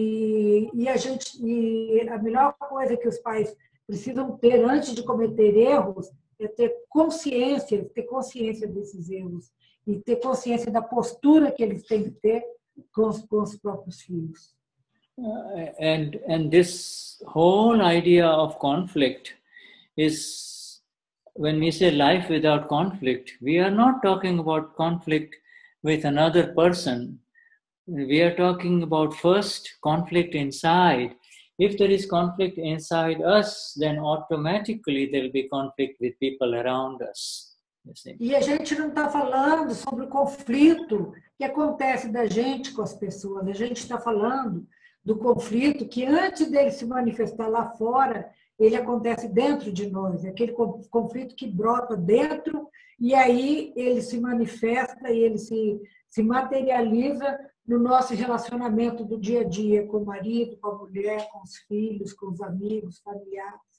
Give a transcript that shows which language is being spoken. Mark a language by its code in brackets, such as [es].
[pt] E a melhor coisa que os pais precisam ter antes de cometer erros é ter consciência desses erros. E ter consciência da postura que eles têm que ter com os próprios filhos. [en] And this whole idea of conflict is, when we say life without conflict, we are not talking about conflict with another person. We are talking about first conflict inside. If there is conflict inside us, then automatically there will be conflict with people around us. [pt] E a gente não está falando sobre o conflito que acontece da gente com as pessoas. A gente está falando do conflito que antes dele se manifestar lá fora, ele acontece dentro de nós. É aquele conflito que brota dentro e aí ele se manifesta e ele se materializa no nosso relacionamento do dia a dia com o marido, com a mulher, com os filhos, com os amigos, familiares.